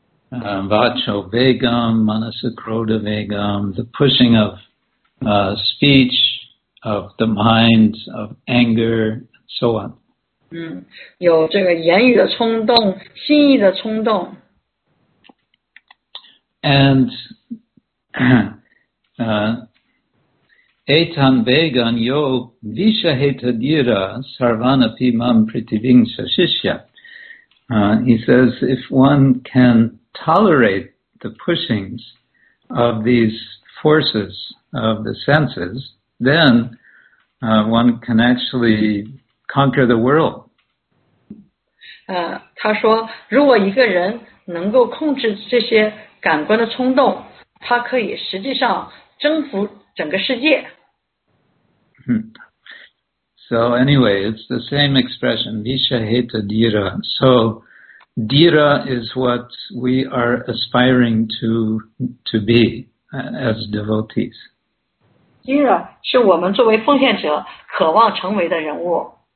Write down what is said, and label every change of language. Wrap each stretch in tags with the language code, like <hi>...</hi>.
<sa>Vacho Vegam, Manasa Krodha Vegam,</sa> <en>the pushing of speech, of the mind, of anger, and so on.</en> <zh>有这个言语的冲动，心意的冲动。</zh> <sa>And Etan Vegan Yo Visha Heta Dira Sarvana Pimam Prithiving Sashishya.</sa> <en>He says, if one can tolerate the pushings of these forces of the senses, then one can actually conquer the world.</en> <zh>他说，如果一个人能够控制这些感官的冲动，他可以实际上征服整个世界。</zh> <en>So anyway, it's the same expression, Visha Heta Dira. So Dira is what we are aspiring to be as devotees.</en> <zh>Dira 是我们作为奉献者渴望成为的人物。</zh>